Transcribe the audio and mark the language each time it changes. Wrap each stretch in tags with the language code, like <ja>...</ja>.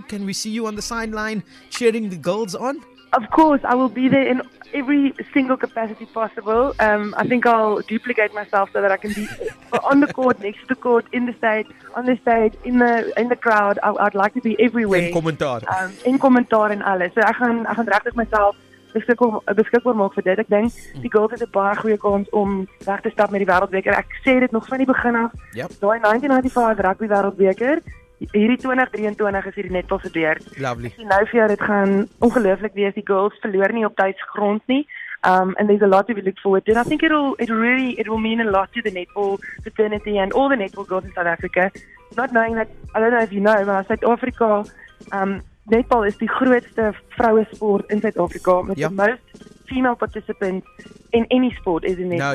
<en>Can we see you on the sideline cheering the girls on? Of course, I will be there in every single capacity possible. I think I'll duplicate myself so that I can be on the court, next to the court, in the state, on the stage, in the crowd. I'd like to be everywhere.</en> <af>In commentaar en alles. So I gaan regtig myself beskikbaar maak vir dit. Ek dink die girls het 'n baie goeie kans om reg te stap met die wêreldbeker. Ek sê dit nog van die begin af.</af> <en>Yep.</en> <af>Daai 1995 rugby wêreldbeker. Hierdie 2023 is hierdie netball gebeurd.</af> <en>Lovely.</en> <af>Ek sien nou vir jou, dit gaan ongelooflik wees. Die girls verloor nie op tuisgrond nie.</af> <en>And there's a lot to look forward to. And I think it will mean a lot to the netball fraternity and all the netball girls in South Africa. Not knowing that, I don't know if you know, but South Africa, netball is the</en> <af>grootste vrouwensport</af> <en>in South Africa. With the most female participants in any sport is in netball.</en>